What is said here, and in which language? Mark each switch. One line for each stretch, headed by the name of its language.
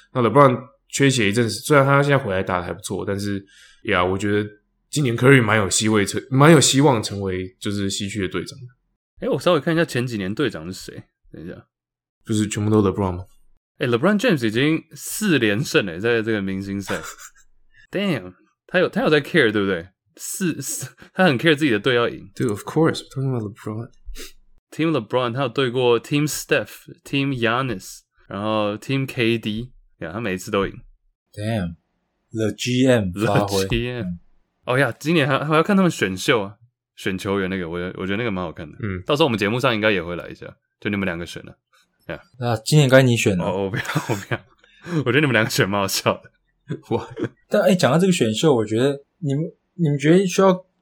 Chinese: 那 LeBron 缺席一阵子，虽然他现在回来打得还不错，但是呀，我觉得今年 Curry 蛮有希望成为就是西区的队长的。欸，我稍微看一下前几年队长是谁，等一下。就是全部都 LeBron 吗？欸， LeBron James 已经四连胜了，在这个明星赛。 Damn， 他有在 care 对不对？是，他很 care 自己的队要赢。
English: Dude， of course， we're talking about LeBron，
Chinese: Team LeBron， 他有对过 Team Steph， Team Giannis， 然后 Team KD， 呀、yeah ，他每一次都赢。
English: Damn， the GM
Chinese: 发挥。 The GM， 哦呀，今年还要看他们选秀啊，选球员那个，我觉得那个蛮好看的。嗯，到时候我们节目上应该也会来一下，就你们两个选了、啊。 Yeah，那今年该你选了。哦，我不要，我觉得你们两个选蛮好笑的。哇！但哎，讲到这个选秀，我觉得你们觉得需要？